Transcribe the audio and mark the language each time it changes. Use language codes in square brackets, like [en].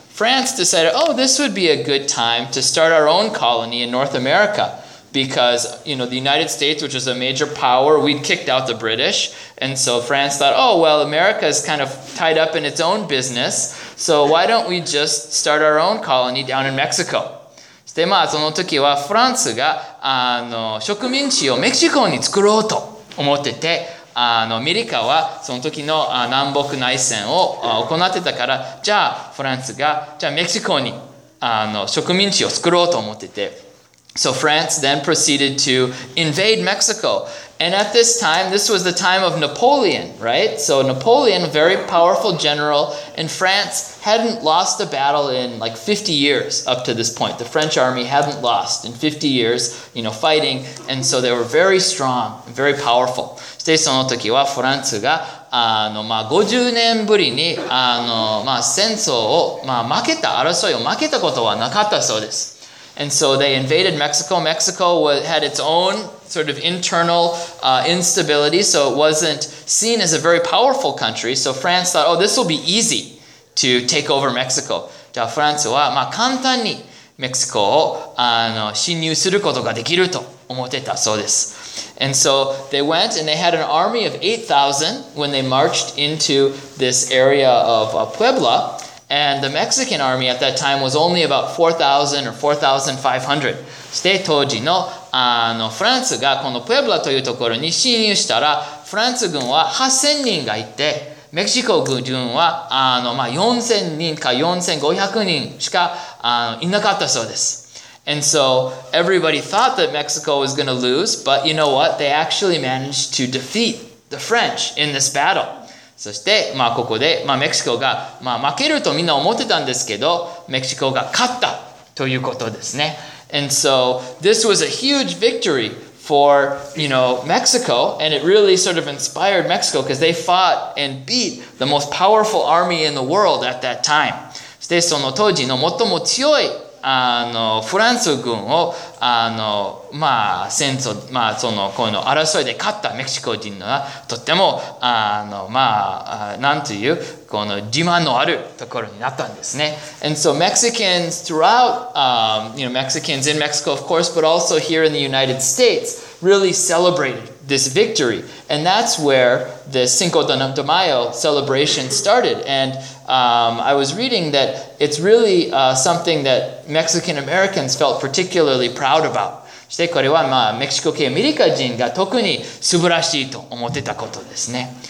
[en] France decided, oh, this would be a good time to start our own colony in North America. Because, you know, the United States, which is a major power, we'd kicked out the British. And so France thought, oh, well, America is kind of tied up in its own business. So why don't we just start our own colony down in Mexico? [ja] で、まあ、その時はフランスが、あの、植民地をメキシコに作ろうと思ってて、あの、アメリカはその時の南北内戦を行ってたから、じゃあ、フランスが、じゃあ、メキシコに、あの、植民地を作ろうと思ってて。 [en] So France then proceeded to invade Mexico. And at this time, this was the time of Napoleon, right? So Napoleon, very powerful general, and France hadn't lost a battle in like 50 years up to this point. The French army hadn't lost in 50 years, you know, fighting. And so they were very strong, very powerful. [ja] で、その時はフランスが、あの、まあ、50年ぶりに、あの、まあ、戦争を、まあ、負けた、争いを負けたことはなかったそうです。 [en] And so they invaded Mexico. Mexico had its own sort of internal instability, so it wasn't seen as a very powerful country. So France thought, oh, this will be easy to take over Mexico. [ja] じゃあフランスは、まあ、簡単にメキシコを、あの、侵入することができると思ってたそうです。 [en] And so they went and they had an army of 8,000 when they marched into this area of Puebla. And the Mexican army at that time was only about 4,000 or 4,500. [ja] して当時の、あの、フランスがこのプエブラというところに侵入したら、フランス軍は8,000人がいて、メキシコ軍は、あの、まあ、4,000人か4,500人しか、あの、いなかったそうです。 [en] And so everybody thought that Mexico was going to lose, but you know what? They actually managed to defeat the French in this battle. [ja] そして、まあ、ここで、まあ、メキシコが、まあ、負けるとみんな思ってたんですけど、メキシコが勝ったということですね。 [en] And so, this was a huge victory for, you know, Mexico, and it really sort of inspired Mexico because they fought and beat the most powerful army in the world at that time. [ja] そして、その当時の最も強い、あの、フランス軍を、あの、まあ、戦争、まあ、その、この争いで勝ったメキシコ人は、とっても、あの、まあ、なんという、この自慢のあるところになったんですね。 [en] And so Mexicans throughout, you know, Mexicans in Mexico, of course, but also here in the United States, really celebrated this victory. And that's where the Cinco de Mayo celebration started. And, I was reading that it's really, something that Mexican Americans felt particularly proud about. [ja] してこれはまあメキシコ系アメリカ人が特に素晴らしいと思ってたことですね。